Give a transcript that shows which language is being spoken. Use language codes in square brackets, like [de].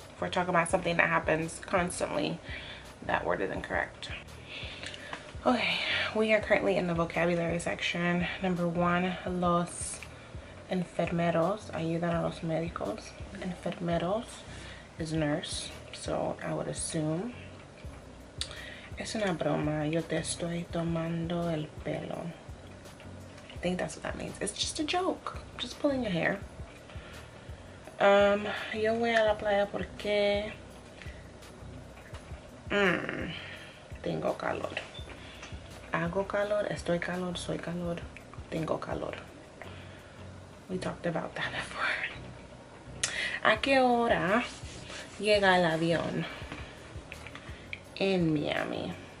[en] If we're talking about something that happens constantly, that word is incorrect. Okay, we are currently in the vocabulary section. Number one, [es] los enfermeros, ayudan a los médicos. [en] Enfermeros is nurse, so I would assume. [es] Es una broma, yo te estoy tomando el pelo. [en] I think that's what that means. It's just a joke, just pulling your hair. [es] Yo voy a la playa porque tengo calor. Hago calor, estoy calor, soy calor, tengo calor. [en] We talked about that before. [es] ¿A qué hora llega el avión en Miami?